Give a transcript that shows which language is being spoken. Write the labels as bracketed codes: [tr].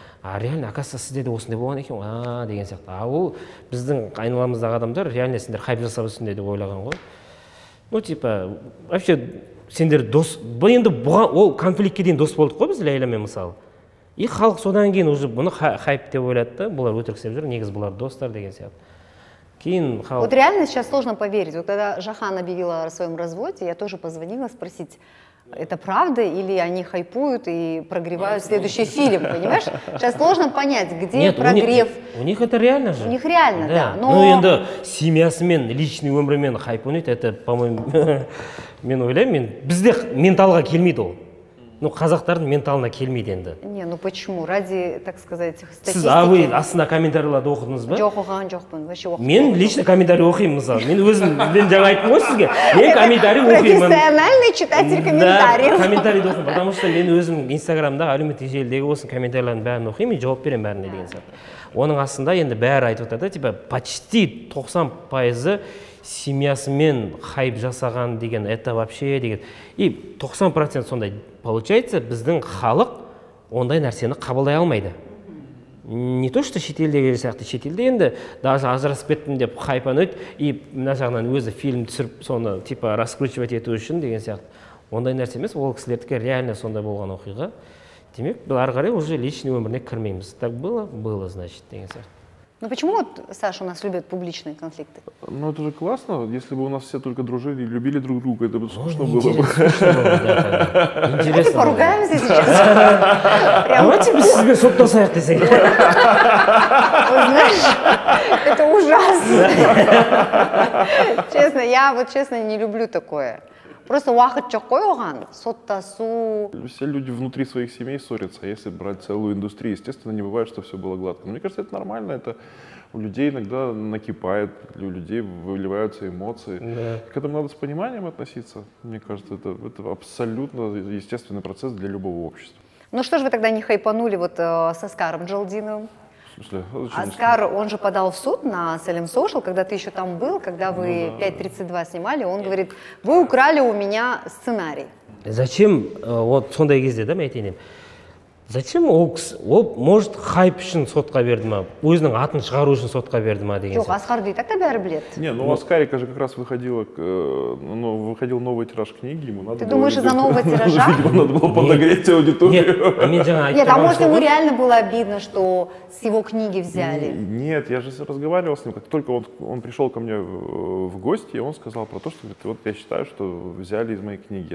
[kk] А реально, оказывается, сізде де осындай болған екен, а деген сияқты. А ол біздің айналамыздағы адамдар реально сендер хайп жасап жүрсіңдер деп ойлаған ғой. [ru] Ну, типа, вообще [kk] сендер дос, бұл енді бұған ол конфликтке дейін дос болдық қой біз Ләйләмен мысалы. И халық содан кейін уже бұны хайп деп ойлады, бұлар өтірік істеп жүр, негіз бұлар достар деген сияқты. Кейін халық... [ru] Вот реально сейчас сложно поверить. Вот когда Жахан объявила о своем разводе, я тоже позвонила спросить, это правда или они хайпуют и прогревают следующий фильм, понимаешь? Сейчас сложно понять, где нет, прогрев. У них это реально же. У них реально, да. Но... [kk] Ну, енді семьясымен, личный өмірімен хайпунет, [ru] это, по-моему, [kk] мен ойлаймын, мен... бізде менталға келмейді ол. Ну, қазақтардың менталына келмейді енді. [ru] Не, ну почему? Ради, так сказать, статистики. [kk] Сіз ауы астында комментарияларды оқыдыңыз ба? Жоқ, оған жоқпын. Вообще оқыдым. Мен лично комментарий оқиым, мысалы. Мен өзім мен жаңа айттым ғой сізге. Мен комментарий оқимын. [ru] Профессиональный читатель комментариев. [kk] Да, комментарийді оқимын, [ru] потому что [kk] мен өзім Инстаграмда, әлеуметтік желідегі осы комментарийлардың бәрін оқимын, жауап беремін бәріне деген сияқты. Оның астында енді бәрі айтып отырады, [ru] типа, почти [kk] 90% семьясымен хайп жасаған деген, [ru] это вообще [kk] деген. И 90% сондай получается, біздің халық ондай нәрсені қабылдай алмайды. [ru] Не то, что [kk] шетелдегі сияқты, шетелде енді даже ажырасып кеттім деп хайпанып, и мына жағынан өзі фильм түсіріп, соны [ru] типа раскручивать [kk] ету үшін деген сияқты. Ондай нәрсе емес, ол кісілердікі реально сондай болған оқиға. Демек, біз ары қарай [ru] уже личный [kk] өміріне кірмейміз. [ru] Так было, было, значит, [kk] деген сияқты. [ru] Ну почему вот Саша у нас любит публичные конфликты? Ну это же классно, если бы у нас все только дружили и любили друг друга, это бы скучно было бы. Давайте поругаемся сейчас. Давайте без себе соптосаяхты сыграть. Знаешь, это ужасно. Честно, я вот честно не люблю такое. [kk] Просто уақыт жоқ қой оған, соттасу. [ru] Все люди внутри своих семей ссорятся, а если брать целую индустрию, естественно, не бывает, что все было гладко. Но мне кажется, это нормально, это у людей иногда накипает, у людей выливаются эмоции. Да. К этому надо с пониманием относиться. Мне кажется, это абсолютно естественный процесс для любого общества. Ну что ж вы тогда не хайпанули вот с Оскаром Джалдиновым? Оскар, он же подал в суд на Salem Social, когда ты еще там был, когда вы 5.32 снимали, он говорит, вы украли у меня сценарий. Зачем, вот [kk] сондай кезде, да, мәйтенем, зачем ол, может, хайп үшін сотқа берді ма, өзінің атын шығару үшін сотқа берді ма деген? Жоқ, Оскар дейді, так-то бәрі білет. [ru] Не, ну, Оскарика же как раз выходил новый тираж книги, ему надо было... Ты думаешь, из-за нового тиража? Ему надо было подогреть аудиторию. Нет, а может, ему реально было обидно, что с его книги взяли? Нет, я же разговаривал с ним, как только он пришел ко мне в гости, и он сказал про то, что, вот я считаю, что взяли из моей книги.